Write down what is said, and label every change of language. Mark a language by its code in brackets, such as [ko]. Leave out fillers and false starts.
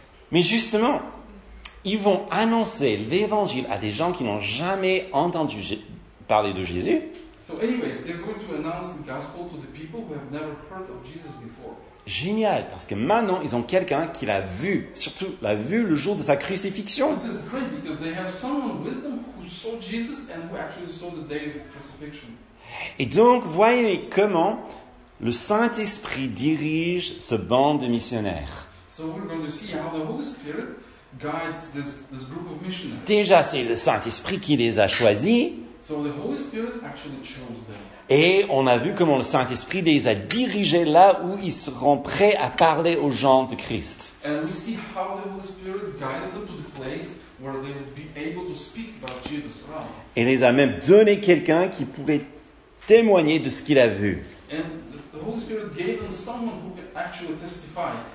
[fr] Mais justement, ils vont annoncer l'évangile à des gens qui n'ont jamais entendu parler de Jésus. [en] So anyways, they're going to announce the gospel to the people who have never heard of Jesus before. [fr] Génial, parce que maintenant ils ont quelqu'un qui l'a vu, surtout l'a vu le jour de sa crucifixion. [en] This is great because they have someone with them who saw Jesus and who actually saw the day of crucifixion. [fr] Et donc, voyez comment le Saint-Esprit dirige ce bande de missionnaires. [en] So we're going to see how the Holy Spirit guides this group of missionaries. [fr] Déjà, c'est le Saint-Esprit qui les a choisis. [en] So the Holy Spirit actually chose them. [fr] Et on a vu comment le Saint-Esprit les a dirigés là où ils seront prêts à parler aux gens de Christ. [en] And we see how the Holy Spirit guided them to the place where they would be able to speak about Jesus around. [fr] Et les a même donné quelqu'un qui pourrait témoigner de ce qu'il a vu. [en] And the Holy Spirit gave them someone who could actually testify.